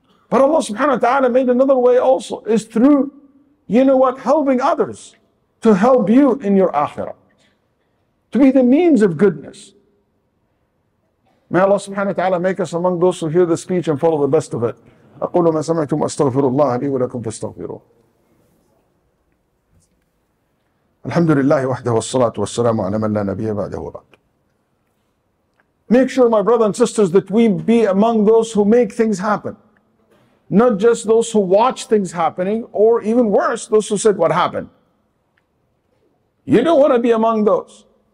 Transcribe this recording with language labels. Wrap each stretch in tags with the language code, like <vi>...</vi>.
<en>But Allah subhanahu wa ta'ala made another way also, is through, helping others to help you in your akhirah, to be the means of goodness. May Allah subhanahu wa ta'ala make us among those who hear the speech and follow the best of it.</en> <ar>أقول ما سمعتم أستغفر الله لي ولكم فاستغفروه. الحمد لله وحده والصلاة والسلام على من لا نبي بعده وبعد.</ar> <en>Make sure, my brothers and sisters, that we be among those who make things happen. Not just those who watch things happening, or even worse, those who said what happened. You don't want to be among those.</en>